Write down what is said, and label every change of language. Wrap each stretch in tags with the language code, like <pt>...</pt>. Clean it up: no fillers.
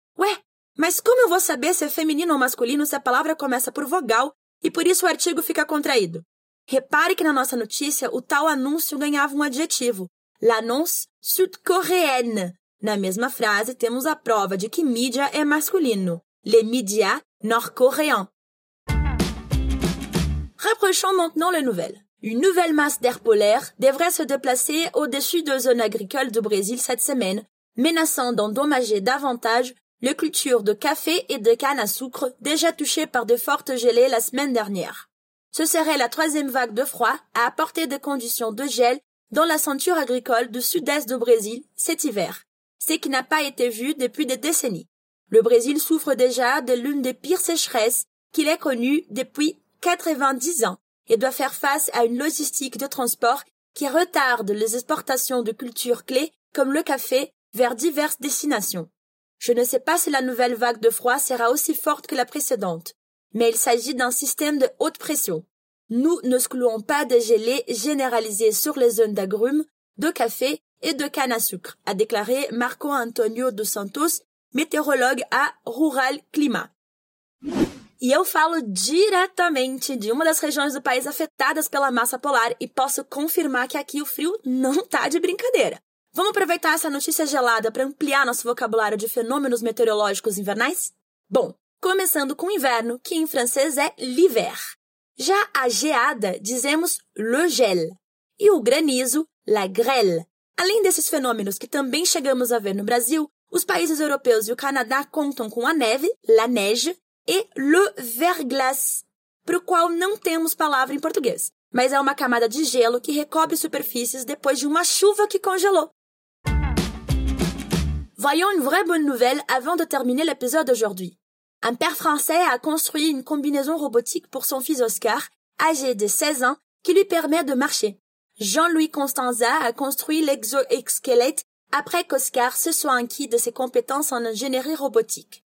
<pt>Ué, mas como eu vou saber se é feminino ou masculino se a palavra começa por vogal e por isso o artigo fica contraído? Repare que na nossa notícia o tal anúncio ganhava um adjetivo,</pt> <fr>l'annonce sud-coréenne.</fr> <pt>Na mesma frase, temos a prova de que mídia é masculino,</pt> <fr>le média nord-coréen. Rapprochons maintenant les nouvelles. Une nouvelle masse d'air polaire devrait se déplacer au-dessus de zones agricoles du Brésil cette semaine, menaçant d'endommager davantage les cultures de café et de canne à sucre déjà touchées par de fortes gelées la semaine dernière. Ce serait la troisième vague de froid à apporter des conditions de gel dans la ceinture agricole du sud-est du Brésil cet hiver, ce qui n'a pas été vu depuis des décennies. Le Brésil souffre déjà de l'une des pires sécheresses qu'il ait connues depuis 90 ans et doit faire face à une logistique de transport qui retarde les exportations de cultures clés comme le café vers diverses destinations. Je ne sais pas si la nouvelle vague de froid sera aussi forte que la précédente, mais il s'agit d'un système de haute pression. Nous n'excluons pas de gelées généralisées sur les zones d'agrumes, de café et de canne à sucre, a déclaré Marco Antonio dos Santos, météorologue à Rural Climat.</fr> <pt>E eu falo diretamente de uma das regiões do país afetadas pela massa polar e posso confirmar que aqui o frio não tá de brincadeira. Vamos aproveitar essa notícia gelada para ampliar nosso vocabulário de fenômenos meteorológicos invernais? Bom, começando com o inverno, que em francês é l'hiver. Já a geada, dizemos le gel. E o granizo, la grêle. Além desses fenômenos que também chegamos a ver no Brasil, os países europeus e o Canadá contam com a neve, la neige, e le verglas, para o qual não temos palavra em português, mas é uma camada de gelo que recobre superfícies depois de uma chuva que congelou.</pt> <fr>Voyons une vraie bonne nouvelle avant de terminer l'épisode d'aujourd'hui. Un père français a construit une combinaison robotique pour son fils Oscar, âgé de 16 ans, qui lui permet de marcher. Jean-Louis Constanza a construit l'exoesquelette après qu'Oscar se soit acquis de ses compétences en ingénierie robotique.</fr>